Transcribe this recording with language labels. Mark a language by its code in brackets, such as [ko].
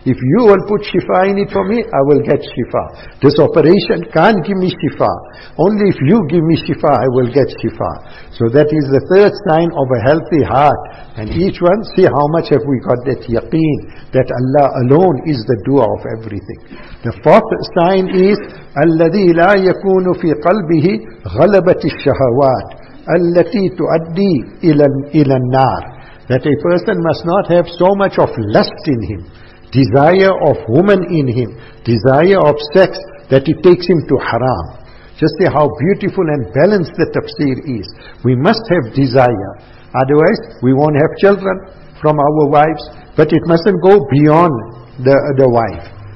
[en] If you will put shifa in it for me, I will get shifa. This operation can't give me shifa. Only if you give me shifa, I will get shifa. So that is the third sign of a healthy heart. And each one, see how much have we got that yaqeen, that Allah alone is the doer of everything. The fourth sign is, [ar] الَّذِي لَا يَكُونُ فِي قَلْبِهِ غَلَبَةِ الشَّهَوَاتِ التي تؤدي إلى النار. [en] That a person must not have so much of lust in him, desire of woman in him, desire of sex, that it takes him to haram. Just see how beautiful and balanced the tafsir is. We must have desire, otherwise we won't have children from our wives, but it mustn't go beyond the wife.